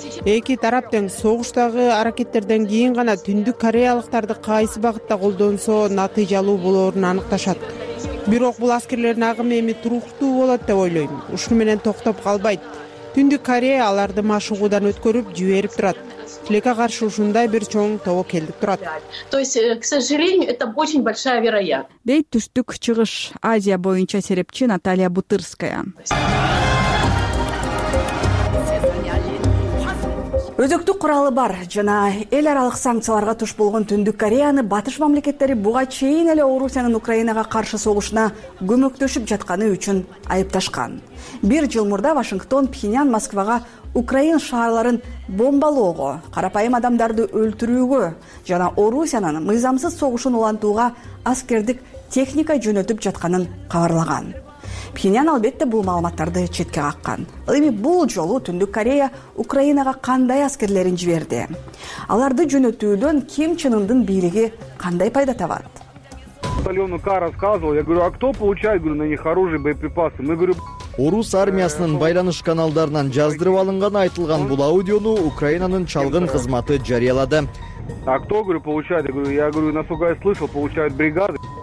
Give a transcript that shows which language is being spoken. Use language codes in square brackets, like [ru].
[ky] Эки тарап тең согуштагы аракеттерден кийин гана түндүк кореялыктарды кайсы багытта колдонсо натыйжалуу болоорун аныкташат. Бирок бул аскерлердин агымы эми туруктуу болот деп ойлойм. Ушуну менен токтоп калбайт. Түндүк Корея аларды машыгуудан өткөрүп жиберип турат. Тилекке каршы ушундай бир чоң тобо келип турат. [ru] То есть, к сожалению, это очень большая вероятность. [ky] Дейт түштүк чыгыш Азия боюнча серепчи Наталья Бутырская. Өзөктүк куралы бар жана эл аралык санкцияларга туш болгон Түндүк Кореяны батыш мамлекеттери буга чейин эле Орусиянын Украинага каршы согушуна көмөктөшүп жатканы үчүн айыпташкан. Бир жыл мурда Вашингтон Пхеньян Москвага Украин шаарларын бомбалоого, карапайым адамдарды өлтүрүүгө жана Орусиянын мыйзамсыз согушун улантууга аскердик техника жөнөтүп жатканын кабарлаган. Пхеньян албетте бул маалыматтарды четке каккан. Ал эми бул жолу Түндүк Корея Украинага кандай аскерлерин жиберди? Аларды жөнөтүүдөн Ким Чен Ындын бийлиги кандай пайда табат? [ru] Батальону К рассказывал, я говорю, а кто получает, говорю, на них оружие, боеприпасы? Мы говорим. [ky] Орус армиясынын байланыш каналдарынан жаздырып алынганы айтылган бул аудиону Украинанын чалгын кызматы жарыялады. [ru] А кто, говорю, получает? Я говорю, насколько я слышал, получают бригады.